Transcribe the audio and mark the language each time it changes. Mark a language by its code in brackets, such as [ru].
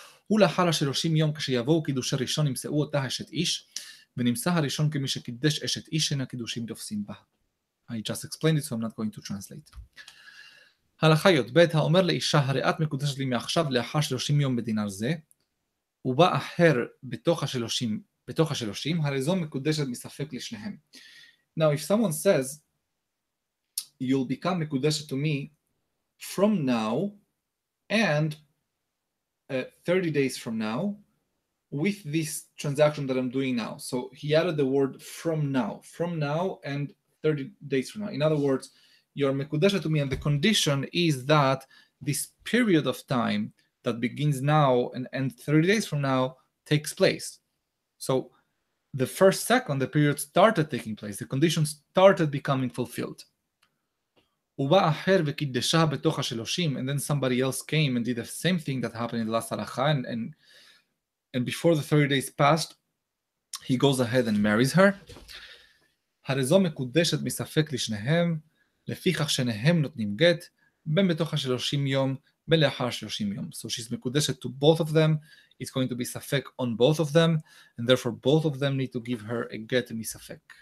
[he] ולאחר השלושים יום כשיבואו קידוש הראשון ימצאו אותה אשת איש ונמצא הראשון כמי שקידש אשת איש שאין הקידושים תופסים בה. [en] I just explained it, so I'm not going to translate. [he] הלכה י' ב' האומר לאישה הרי את מקודשת לי מעכשיו לאחר שלושים יום בדין על זה ובא אחר בתוך השלושים הרי זו מקודשת מספק לשניהם. [en] Now if someone says you'll become מקודשת to me from now and 30 days from now with this transaction that I'm doing now. So he added the word from now and 30 days from now. In other words, you're mekudeshet to me and the condition is that this period of time that begins now and ends 30 days from now takes place. So the first second, the period started taking place. The condition started becoming fulfilled. [he] ובא אחר וקידשה בתוך השלושים, [en] and then somebody else came and did the same thing that happened in the last halacha, and before the 30 days passed, he goes ahead and marries her. [he] הרי זו מקודשת מספק לשניהם, לפיכך שניהם נותנים גט, בין בתוך השלושים יום, בין לאחר שלושים יום. [en] So she's מקודשת to both of them, it's going to be ספק on both of them, and therefore both of them need to give her a get מספק.